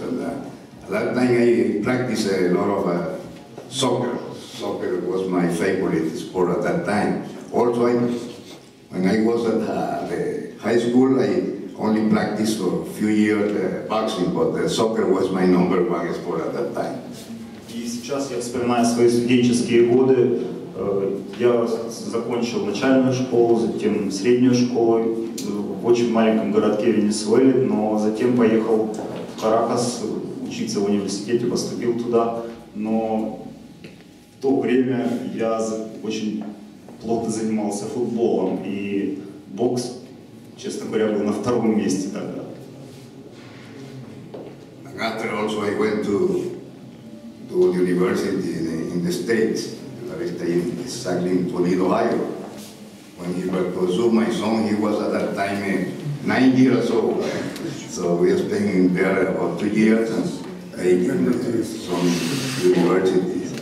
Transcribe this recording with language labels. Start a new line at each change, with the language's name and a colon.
English: And at that time I practiced a lot of soccer. Soccer was my favorite sport at that time. Also, when I was at the high school, I only practiced for a few years boxing, but soccer was my number one sport at that time.
Russian: И сейчас я вспоминаю свои студенческие годы. Я закончил начальную школу, затем среднюю школу в очень маленьком городке Венесуэле, но затем поехал в Каракас учиться в университете, поступил туда, но в то время я очень плотно занимался футболом, и бокс, честно говоря, был на втором месте тогда.
English: And after also I went to the university in the States, exactly in Toledo, Ohio. When he was pursued my son, he was at that time 9 years old. So we are spending there about 2 years and I in some university.